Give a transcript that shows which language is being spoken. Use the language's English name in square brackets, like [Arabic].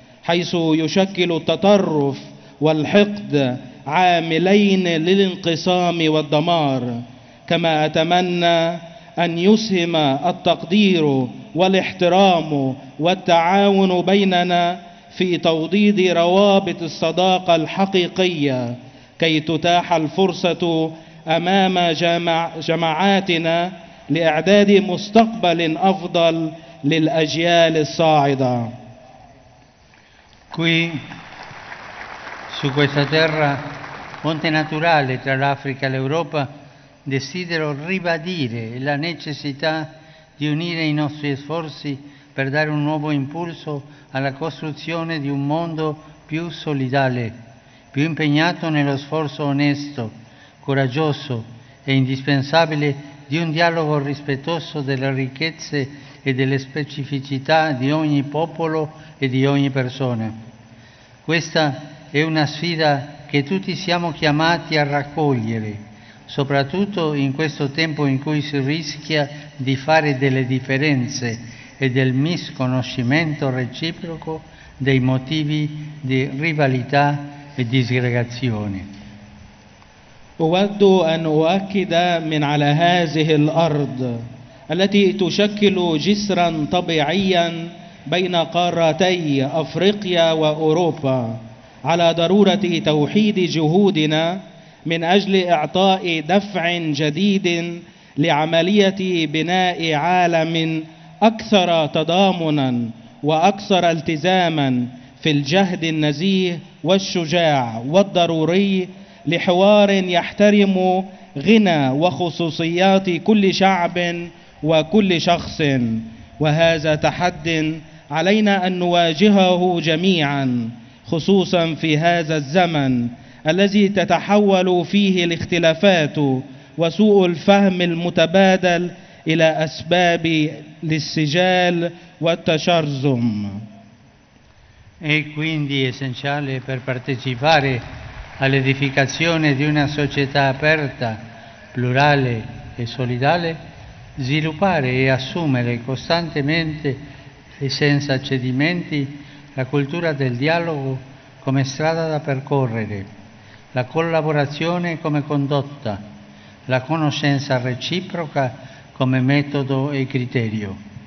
[Arabic] حيث يشكل التطرف والحقد عاملين للانقسام والدمار كما أتمنى أن يسهم التقدير والاحترام والتعاون بيننا في توضيد روابط الصداقة الحقيقية كي تتاح الفرصة أمام جماعاتنا لإعداد مستقبل أفضل للأجيال الصاعدة. [Italian] Qui su questa terra ponte naturale tra l'Africa e l'Europa desidero ribadire la necessità di unire i nostri sforzi per dare un nuovo impulso alla costruzione di un mondo più solidale, più impegnato nello sforzo onesto, coraggioso e indispensabile di un dialogo rispettoso delle ricchezze e delle specificità di ogni popolo e di ogni persona. Questa è una sfida che tutti siamo chiamati a raccogliere, soprattutto in questo tempo in cui si rischia di fare delle differenze e del misconoscimento reciproco dei motivi di rivalità e disgregazione. [Arabic] أود أن أؤكد من على هذه الأرض التي تشكل جسرا طبيعيا بين قارتي أفريقيا وأوروبا، على ضرورة توحيد جهودنا من أجل إعطاء دفع جديد لعملية بناء عالم أكثر تضامنا وأكثر التزاما في الجهد النزيه والشجاع والضروري لحوار يحترم غنى وخصوصيات كل شعب وكل شخص. وهذا تحد علينا أن نواجهه جميعا، خصوصا في هذا الزمن الذي تتحول فيه الاختلافات وسوء الفهم المتبادل إلى أسباب للسجال والتشرذم. [Italian] È quindi essenziale per partecipare all'edificazione di una società aperta, plurale e solidale, sviluppare e assumere costantemente e senza cedimenti la cultura del dialogo come strada da percorrere, la collaborazione come condotta, la conoscenza reciproca come metodo e criterio.